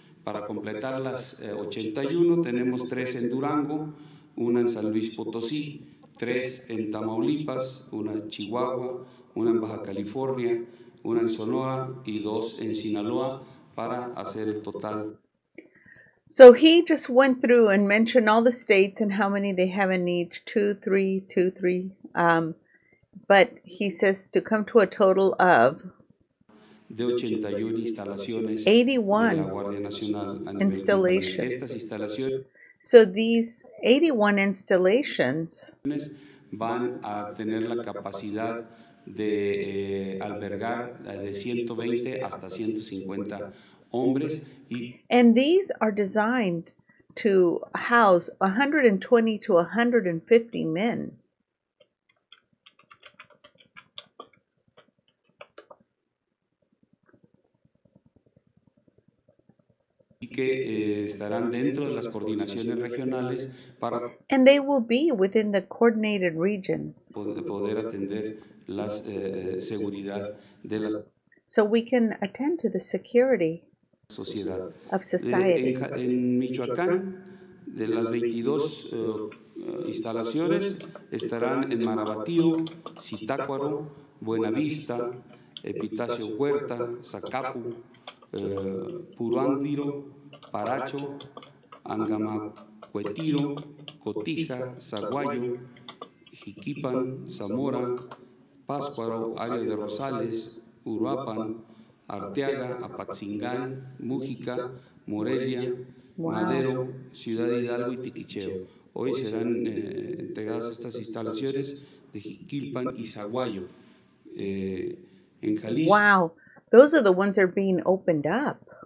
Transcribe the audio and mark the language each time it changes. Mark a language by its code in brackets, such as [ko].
[es] Para completar las 81, tenemos 3 en Durango, una en San Luis Potosí, 3 en Tamaulipas, una en Chihuahua, una en Baja California, una en Sonora y 2 en Sinaloa para hacer el total. [en] So he just went through and mentioned all the states and how many they have in each, 2, 3, 2, 3. But he says to come to a total of... [es] De 81 instalaciones [en] 81 [es] de la Guardia Nacional a nivel [en] installation. [es] Estas instalaciones, [en] so these 81 installations [es] van a tener la capacidad de albergar de 120 hasta 150 hombres. [en] And these are designed to house 120 to 150 men. [es] Que estarán dentro de las coordinaciones regionales para [en] and they will be within the coordinated regions. [es] Poder atender la seguridad de la [en] so we can attend to the security [es] sociedad. [en] Of society. [es] En Michoacán, de las 22 instalaciones, estarán en Maravatío, Zitácuaro, Buenavista, Epitacio Huerta, Zacapu, Puruándiro, Paracho, Angamacuetiro, Cotija, Zaguayo, Jiquipan, Zamora, Páscuaro, Área de Rosales, Uruapan, Arteaga, Apatzingán, Mújica, Morelia, [en] wow. [es] Madero, Ciudad Hidalgo y Tiquicheo. Hoy serán entregadas estas instalaciones de Jiquilpan y Zaguayo en Jalisco. [en] Wow, those are the ones that are being opened up.